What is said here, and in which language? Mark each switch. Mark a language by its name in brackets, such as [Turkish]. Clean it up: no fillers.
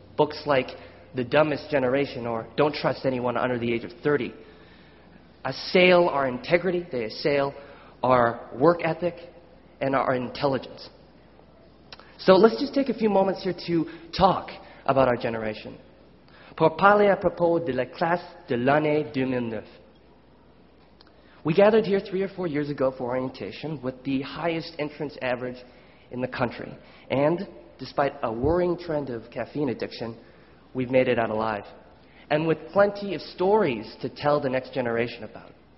[English] Books like The Dumbest Generation or Don't Trust Anyone Under the Age of 30 assail our integrity, they assail our work ethic, and our intelligence. So let's just take a few moments here to talk about our generation. [French] Pour parler à propos de la classe de l'année 2009. [English] We gathered here 3 or 4 years ago for orientation with the highest entrance average in the country. And despite a worrying trend of caffeine addiction, we've made it out alive. And with plenty of stories to tell the next generation about.